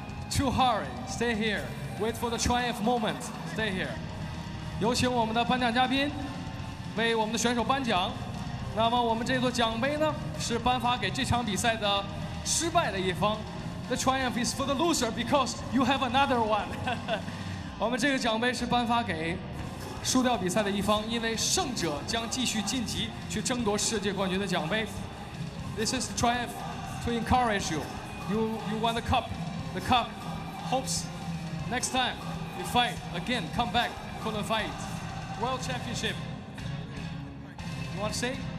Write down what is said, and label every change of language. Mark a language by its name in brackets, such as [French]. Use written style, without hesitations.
[English] Too hard. Stay here. Wait for the triumph moment. Stay here. [Chinese] 有请我们的颁奖嘉宾为我们的选手颁奖。那么我们这座奖杯呢，是颁发给这场比赛的失败的一方。 [English] The triumph is for the loser because you have another one. [Chinese] 我们这个奖杯是颁发给输掉比赛的一方，因为胜者将继续晋级去争夺世界冠军的奖杯。 [English] This is the triumph to encourage you. You won the cup. The cup hopes next time you fight again, come back, Kunlun Fight World Championship. You want to say?